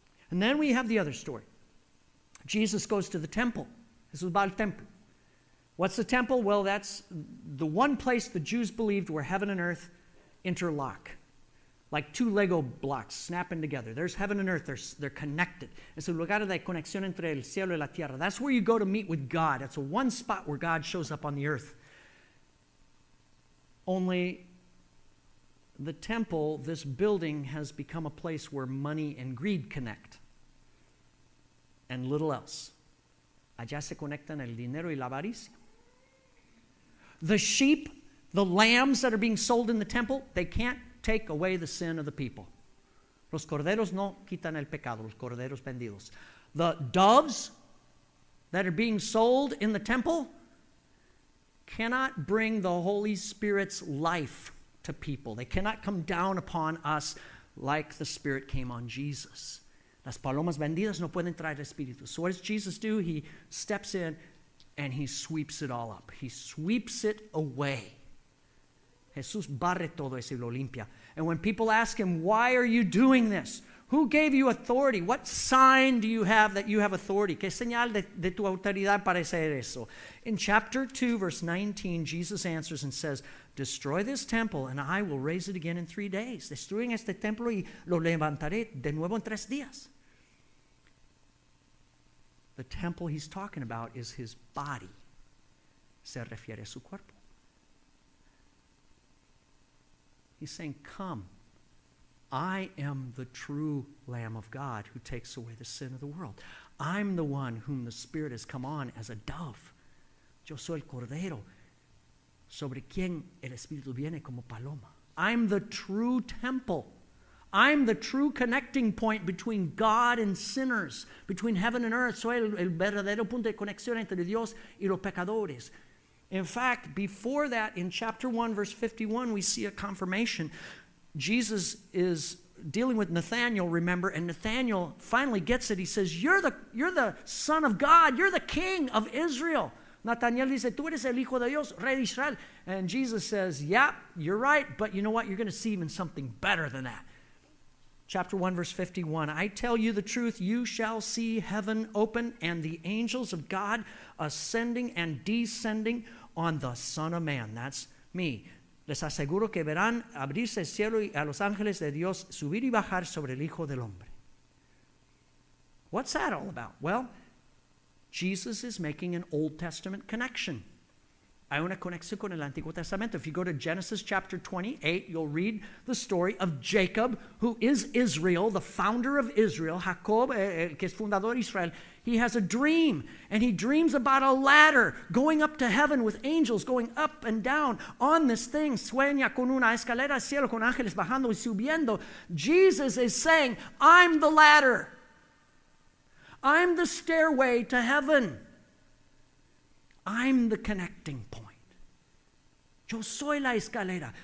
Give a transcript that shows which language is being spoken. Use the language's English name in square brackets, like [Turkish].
[English] And then we have the other story. Jesus goes to the temple. [Spanish] Jesús va al templo. [English] What's the temple? Well, that's the one place the Jews believed where heaven and earth interlock. Like two Lego blocks snapping together. There's heaven and earth. They're connected. [Spanish] Es el lugar de conexión entre el cielo y la tierra. [English] That's where you go to meet with God. That's the one spot where God shows up on the earth. Only the temple, this building, has become a place where money and greed connect. And little else. [Spanish] Allá se conectan el dinero y la avaricia. [English] The sheep, the lambs that are being sold in the temple, they can't take away the sin of the people. [Spanish] Los corderos no quitan el pecado, los corderos vendidos. [English] The doves that are being sold in the temple cannot bring the Holy Spirit's life to people. They cannot come down upon us like the Spirit came on Jesus. [Spanish] Las palomas vendidas no pueden traer espíritu. [English] So what does Jesus do? He steps in and he sweeps it all up. He sweeps it away. [Spanish] Jesús barre todo ese y lo limpia. [English] And when people ask him, why are you doing this? Who gave you authority? What sign do you have that you have authority? [Spanish] ¿Qué señal de tu autoridad para hacer eso? [English] In chapter 2, verse 19, Jesus answers and says, destroy this temple and I will raise it again in 3 days. [Spanish] Destruyen este templo y lo levantaré de nuevo en 3 días. [English] The temple he's talking about is his body. [Spanish] Se refiere a su cuerpo. [English] He's saying, come, I am the true Lamb of God who takes away the sin of the world. I'm the one whom the Spirit has come on as a dove. [Spanish] Yo soy el Cordero sobre quien el Espíritu viene como paloma. [English] I'm the true temple. I'm the true connecting point between God and sinners, between heaven and earth. [Spanish] Soy el verdadero punto de conexión entre Dios y los pecadores. [English] In fact, before that, in chapter 1, verse 51, we see a confirmation. Jesus is dealing with Nathanael, remember, and Nathanael finally gets it. He says, you're the Son of God. You're the King of Israel. [Spanish] Nathanael dice, tú eres el Hijo de Dios, Rey de Israel. [English] And Jesus says, yeah, you're right, but you know what? You're going to see even something better than that. Chapter 1, verse 51, I tell you the truth, you shall see heaven open and the angels of God ascending and descending on the Son of Man. That's me. [Spanish] Les aseguro que verán abrirse el cielo y a los ángeles de Dios subir y bajar sobre el Hijo del Hombre. [English] What's that all about? Well, Jesus is making an Old Testament connection. [Spanish] Hay una conexión con el Antiguo Testamento. [English] If you go to Genesis chapter 28, you'll read the story of Jacob, who is Israel, the founder of Israel, [Spanish] Jacob, el que es fundador de Israel. [English] He has a dream, and he dreams about a ladder going up to heaven with angels going up and down on this thing. [Spanish] Sueña con una escalera al cielo con ángeles bajando y subiendo. [English] Jesus is saying, I'm the ladder. I'm the stairway to heaven. I'm the connecting point. [Spanish] Yo soy la escalera.